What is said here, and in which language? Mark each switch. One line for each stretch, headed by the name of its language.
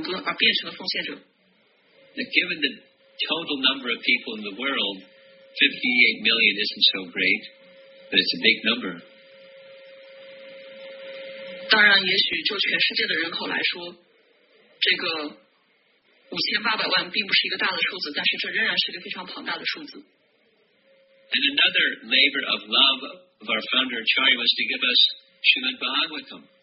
Chinese: 而时至今日，也有很多人只是因为读了跑跑的梵歌而变成了奉献者。
English: Given the total number of people in the world, 58 million isn't so great, but it's a big number.
Chinese: 当然也许就全世界的人口来说，这个5800万并不是一个大的数字，但是这仍然是一个非常庞大的数字。
English: And another labor of love of our founder Acharya was to give us Srimad Bhagavatam.